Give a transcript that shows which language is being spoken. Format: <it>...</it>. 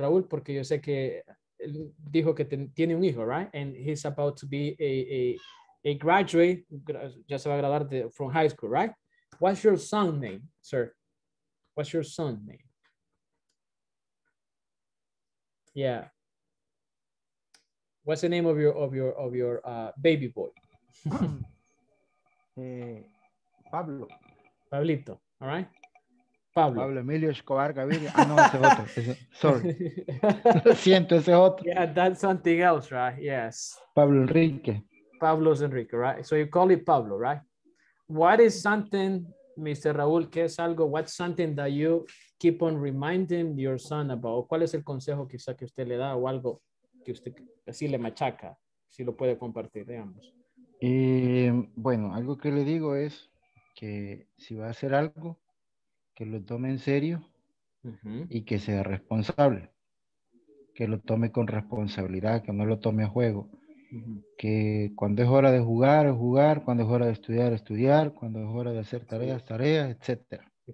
<es>Raúl, porque yo sé que él dijo que tiene un hijo, right?</es> <en>And he's about to be a graduate,</en> <es>ya se va a graduar</es> <en>from high school, right? What's your son's name, sir? What's your son's name? Yeah. What's the name of your baby boy? Pablo. Pablito. All right. Pablo.</en> <es>Pablo Emilio Escobar Gaviria. Ah, no, ese es otro. Sorry. Lo siento, ese es otro.</es> <en>Yeah, that's something else, right? Yes. Pablo Enrique. Pablo Enrique, right? So you call it Pablo, right? What is something, Mr. Raúl,</en> <es>que es algo,</es> <en>what's something that you keep on reminding your son about?</en> <es>¿Cuál es el consejo quizá que usted le da o algo que usted así le machaca, si lo puede compartir, digamos? Bueno, algo que le digo es que si va a hacer algo, que lo tome en serio, uh-huh, y que sea responsable, que lo tome con responsabilidad, que no lo tome a juego, uh-huh, que cuando es hora de jugar, jugar, cuando es hora de estudiar, estudiar, cuando es hora de hacer tareas, tareas, etcétera.</es>